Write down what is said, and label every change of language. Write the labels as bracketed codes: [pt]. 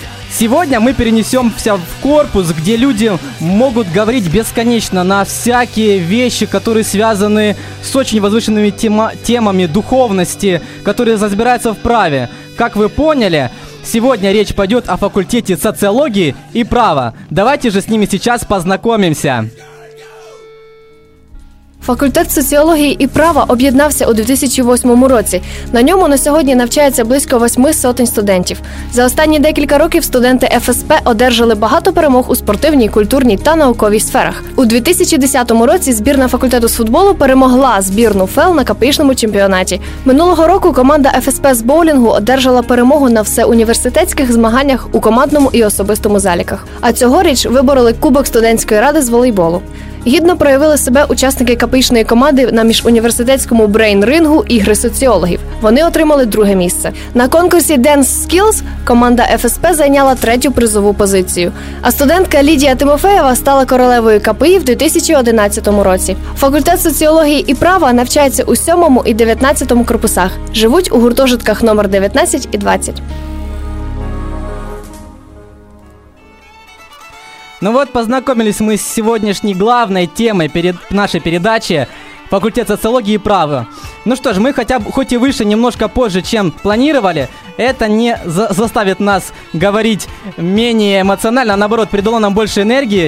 [ru] Сегодня мы перенесемся в корпус, где люди могут говорить бесконечно на всякие вещи, которые связаны с очень возвышенными темами духовности, которые разбираются в праве. Как вы поняли, сегодня речь пойдет о факультете социологии и права. Давайте же с ними сейчас познакомимся. [uk] Факультет соціології і права об'єднався у 2008 році. На ньому на сьогодні навчається близько 800 студентів. За останні декілька років студенти ФСП одержали багато перемог у спортивній, культурній та науковій сферах. У 2010 році збірна факультету з футболу перемогла збірну ФЛ на КПІшному чемпіонаті. Минулого року команда ФСП з боулінгу одержала перемогу на всеуніверситетських змаганнях у командному і особистому заліках. А цьогоріч вибороли Кубок студентської ради з волейболу. Гідно проявили себе учасники КПІшної команди на міжуніверситетському брейн-рингу «Ігри соціологів». Вони отримали друге місце. На конкурсі «Dance Skills» команда ФСП зайняла третю призову позицію. А студентка Лідія Тимофеєва стала королевою КПІ в 2011 році. Факультет соціології і права навчається у 7-му і 19-му корпусах. Живуть у гуртожитках номер 19 і 20. [ru] Ну вот, познакомились мы с сегодняшней главной темой перед нашей передачи — факультет социологии и права. Ну что ж, мы хотя бы, хоть и выше немножко позже, чем планировали, это не заставит нас говорить менее эмоционально, а наоборот, придало нам больше энергии.